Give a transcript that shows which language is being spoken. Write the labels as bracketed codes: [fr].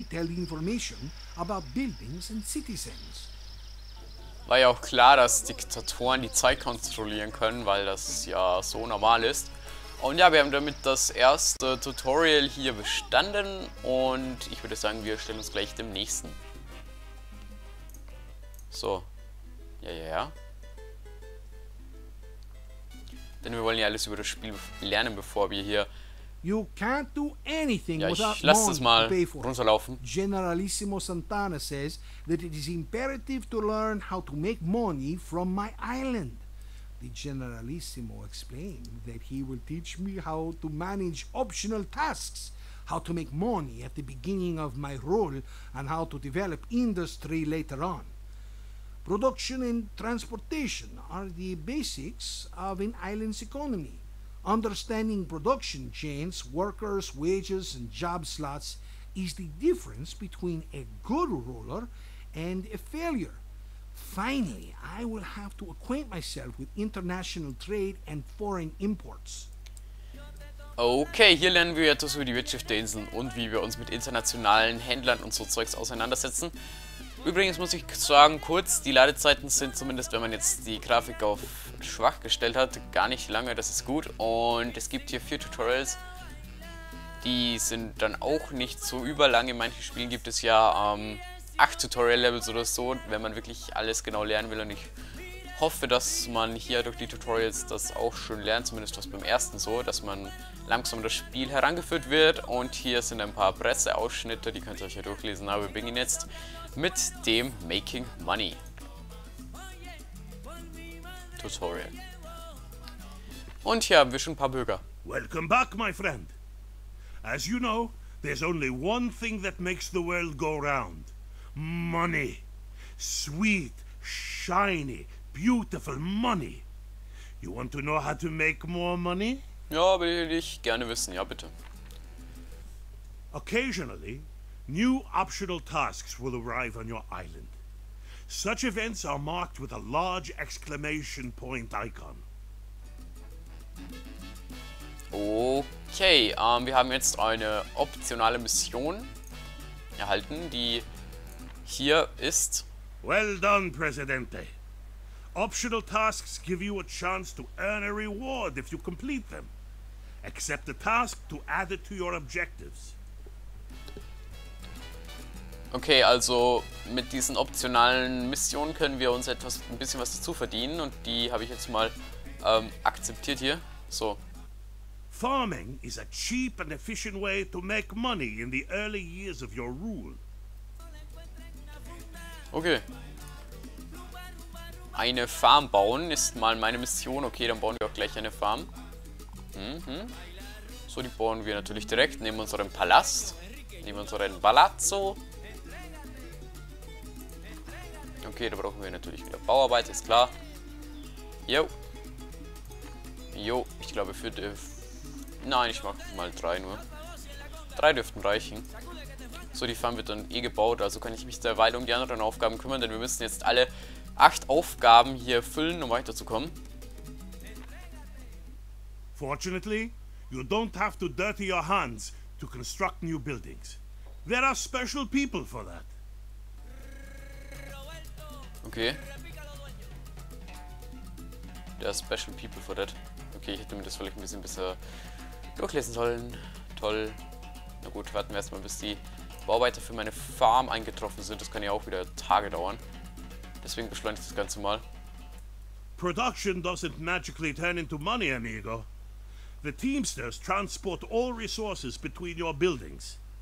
[en] tell information about buildings and citizens. [de] War ja auch klar, dass Diktatoren die Zeit kontrollieren können, weil das ja so normal ist. Und ja, wir haben damit das erste Tutorial hier bestanden und ich würde sagen, wir stellen uns gleich dem nächsten. So. Ja, ja, ja. Denn wir wollen ja alles über das Spiel lernen, bevor wir hier... [en] You can't do anything [de] ja, ich lasse das mal runterlaufen. [en] Generalissimo Santana says that it is imperative to learn how to make money from my island. The Generalissimo explained that he will teach me how to manage optional tasks, how to make money at the beginning of my rule, and how to develop industry later on. Production and transportation are the basics of an island's economy. Understanding production chains, workers, wages, and job slots is the difference between a good ruler and a failure. Finally, I will have to acquaint myself with international trade and foreign imports. [de] Okay, hier lernen wir etwas über die Wirtschaft der Inseln und wie wir uns mit internationalen Händlern und so Zeugs auseinandersetzen. Übrigens muss ich sagen, kurz, die Ladezeiten sind zumindest, wenn man jetzt die Grafik auf schwach gestellt hat, gar nicht lange, das ist gut. Und es gibt hier 4 Tutorials, die sind dann auch nicht so überlang. In manchen Spielen gibt es ja 8 Tutorial-Levels oder so, wenn man wirklich alles genau lernen will. Und ich hoffe, dass man hier durch die Tutorials das auch schön lernt, zumindest was beim ersten so, dass man langsam das Spiel herangeführt wird. Und hier sind ein paar Presseausschnitte, die könnt ihr euch ja durchlesen, aber wir beginnen jetzt mit dem Making Money Tutorial. Und hier haben wir schon ein paar Bürger. [en] Welcome back, my friend. As you know, there's only one thing that makes the world go round. Money. Sweet, shiny, beautiful money. You want to know how to make more money? [de] Ja, will ich gerne wissen. Ja, bitte. [en] Occasionally, new optional tasks will arrive on your island. Such events are marked with a large exclamation point icon. [de] Okay, wir haben jetzt eine optionale Mission erhalten, die hier ist. [en] Well done, Presidente. Optional tasks give you a chance to earn a reward if you complete them. Accept the task to add it to your objectives. [de] Okay, also mit diesen optionalen Missionen können wir uns etwas, ein bisschen was dazu verdienen und die habe ich jetzt mal akzeptiert hier. So. [en] Farming is a cheap and efficient way to make money in the early years of your rule. Okay. [de] Eine Farm bauen ist mal meine Mission. Okay, dann bauen wir auch gleich eine Farm. Mhm. So, die bauen wir natürlich direkt neben unserem Palast, neben unserem Palazzo. Okay, da brauchen wir natürlich wieder Bauarbeit, ist klar. Jo. Jo, ich glaube für die... Nein, ich mach mal 3 nur. 3 dürften reichen. So, die Farm wird dann eh gebaut, also kann ich mich derweil um die anderen Aufgaben kümmern, denn wir müssen jetzt alle 8 Aufgaben hier füllen, um weiterzukommen. [en] Fortunately, you don't have to dirty your hands to construct new buildings. There are special people for that. Okay. There are special people for that. [de] Okay, ich hätte mir das vielleicht ein bisschen besser durchlesen sollen. Toll. Na gut, warten wir erstmal, bis die Bauarbeiter für meine Farm eingetroffen sind. Das kann ja auch wieder Tage dauern. Deswegen beschleunige ich das Ganze mal. [en] Production doesn't magically turn into money, amigo. The Teamsters transport all resources between your buildings.